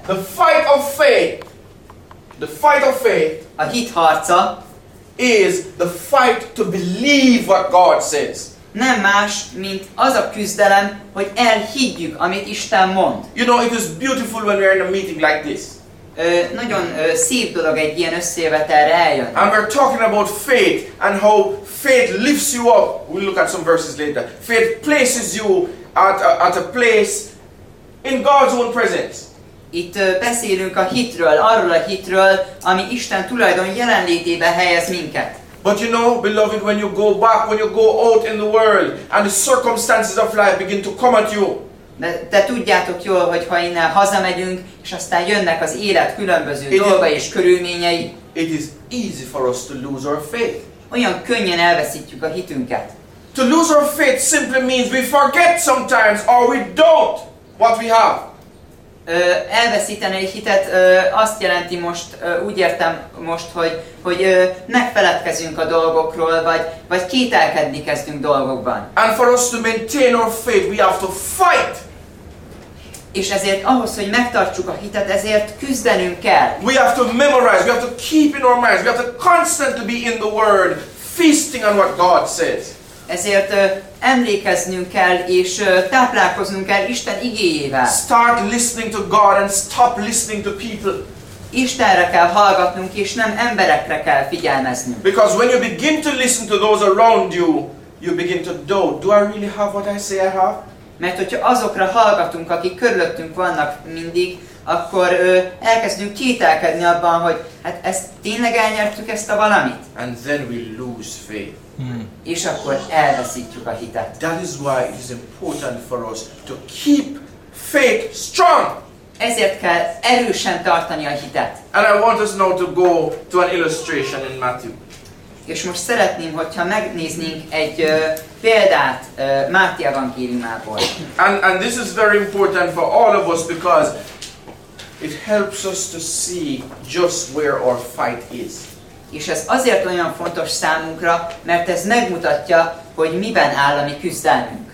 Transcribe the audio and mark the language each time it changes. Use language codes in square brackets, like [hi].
[en] The fight of faith. The fight of faith. [hu] A hit harca [en] is the fight to believe what God says. [hu] Nem más, mint az a küzdelem, hogy elhiggyük, amit Isten mond. [en] You know, it is beautiful when we're in a meeting like this. [hu] Nagyon szép dolog egy ilyen összejövetelre eljönni. [en] And we're talking about faith and how faith lifts you up. We'll look at some verses later. Faith places you at a place in God's own presence. [hu] Itt beszélünk a hitről, arról a hitről, ami Isten tulajdon jelenlétébe helyez minket. [en] But you know, beloved, when you go back, when you go out in the world, and the circumstances of life begin to come at you. [hu] De tudjátok jól, hogy ha innen hazamegyünk, és aztán jönnek az élet különböző dolgai és körülményei. [en] It is easy for us to lose our faith. [hu] Olyan könnyen elveszítjük a hitünket. [en] To lose our faith simply means we forget sometimes, or we don't what we have. [hu] Elveszíteni egy hitet azt jelenti most, úgy értem most, hogy megfeledkezünk a dolgokról, vagy kételkedni kezdünk dolgokban. [en] And for us to maintain our faith, we have to fight. [hu] És ezért ahhoz, hogy megtartsuk a hitet, ezért küzdenünk kell. [en] We have to memorize, we have to keep in our minds, we have to constantly be in the Word, feasting on what God says. [hu] Ezért emlékeznünk kell és táplálkoznunk kell Isten igéjével. [en] Start listening to God and stop listening to people. [hu] Istenre kell hallgatnunk és nem emberekre kell figyelmeznünk. [en] Because when you begin to listen to those around you, you begin to doubt. Do I really have what I say I have? [hu] Mert hogyha azokra hallgatunk, akik körülöttünk vannak mindig, akkor elkezdünk kételkedni abban, hogy hát ezt tényleg elnyertük ezt a valamit. [en] And then we lose faith. [hu] És akkor elveszítjük a hitet. [en] That is why it is important for us to keep faith strong. [hu] Ezért kell erősen tartani a hitet. [en] And I want us now to go to an illustration in Matthew. [hu] És most szeretném, hogyha megnéznénk egy példát Máté evangéliumából. [en] And this is very important for all of us because it helps us to see just where our fight is. [hu] És ez azért olyan fontos számunkra, mert ez megmutatja, hogy miben áll a mi küzdelmünk.